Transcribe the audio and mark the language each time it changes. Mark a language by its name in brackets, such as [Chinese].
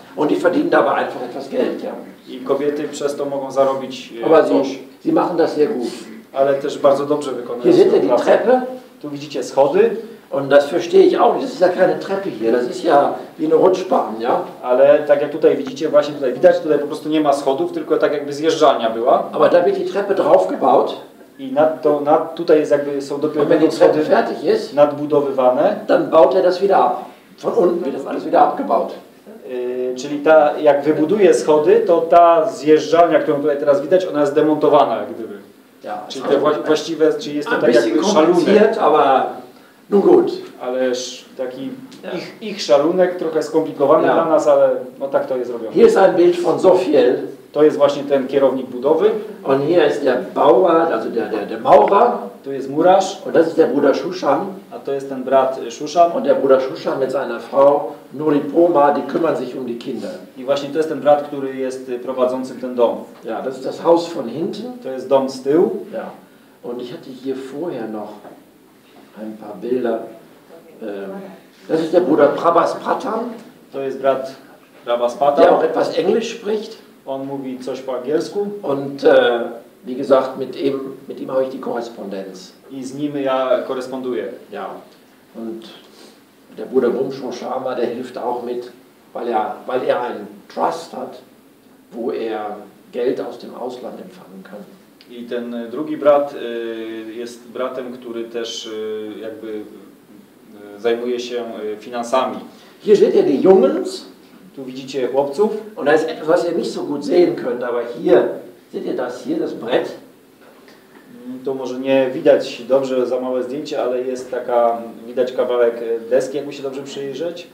[German] Und die verdienen dabei einfach etwas Geld, ja. [Polish] I kobiety przez to mogą zarobić coś. [German] Sie machen das sehr gut. [Polish] Ale też bardzo dobrze wykonują. [German] Hier seht ihr die Treppe. [Polish] Tu widzicie schody. [German] Und das verstehe ich auch. Das ist ja keine Treppe hier. Das ist ja wie eine Rutschbahn, ja. [Polish] Ale tak jak tutaj widzicie, właśnie tutaj widać, tutaj po prostu nie ma schodów, tylko tak jakby zjeżdżalnia była. [German] Aber da wird die Treppe draufgebaut. [Polish] I tutaj jest jakby są dopiero schody nadbudowywane. [German] Dann baut er das wieder ab. Von unten wird das alles wieder abgebaut. [Polish] Czyli ta, jak wybuduje schody, to ta zjeżdżalnia, którą tutaj teraz widać, ona jest demontowana, jak gdyby. [German] Ja, [Polish] czyli te właściwe, czy jest to tak jakby szalunek. [German] Aber, no gut. [Polish] Ale taki ich szalunek, trochę skomplikowany dla nas, ale no tak to jest robione. [German] Hier ist ein Bild von Zofiel. [Polish] To jest właśnie ten kierownik budowy. [German] Und hier ist der Bauer, also der Maurer. [Polish] Tu jest murarz. [German] Und das ist der Bruder Shushan. [Polish] A to jest ten brat Shushan. [German] Und der Bruder Shushan mit seiner Frau Nuripoma, die kümmern sich um die Kinder. [Polish] I właśnie to jest ten brat, który jest prowadzącym ten dom. [German] Ja, das ist das Haus von hinten. [Polish] To jest dom z tyłu. [German] Ja. Und ich hatte hier vorher noch ein paar Bilder. Das ist der Bruder Prabhas Patan. [Polish] To jest brat Prabhas Patan. [German] Der auch etwas Englisch spricht. [Polish] On mówi coś po angielsku. [German] Und wie gesagt, mit ihm habe ich die Korrespondenz. [Polish] I z nim ja koresponduję. [German] Ja. Und der Bruder Bumshaw Sharma, der hilft auch mit, weil er einen Trust hat, wo er Geld aus dem Ausland empfangen kann. [Polish] I ten drugi brat jest bratem, który też jakby zajmuje się finansami. [German] Hier seht ihr die Jungs. [Polish] Tu widzicie chłopców. [German] Und das ist etwas, was ihr nicht so gut sehen könnt, aber hier seht ihr das hier, das Brett. [Polish] To może nie widać dobrze za małe zdjęcie, ale jest taka, widać kawałek deski, jakby się dobrze przyjrzeć.